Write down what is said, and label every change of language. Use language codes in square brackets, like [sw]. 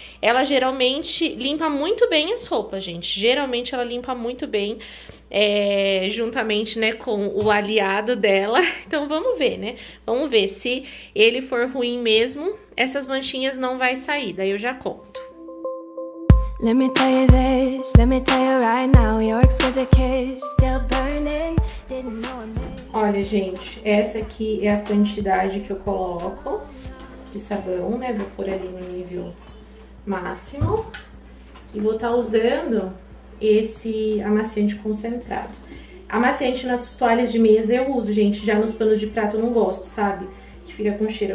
[pt] Ela geralmente limpa muito bem as roupas, gente. Geralmente ela limpa muito bem, juntamente, né, com o aliado dela. Então vamos ver, né? Vamos ver se ele for ruim mesmo, essas manchinhas não vai sair. Daí eu já conto. [en] Let me tell you this, let me tell you right now, your exquisite kiss still burning, didn't know I made. [pt] Olha, gente, essa aqui é a quantidade que eu coloco de sabão, né? Vou pôr ali no nível máximo. E vou estar usando esse amaciante concentrado. Amaciante nas toalhas de mesa eu uso, gente. Já nos panos de prato eu não gosto, sabe? Que fica com cheiro.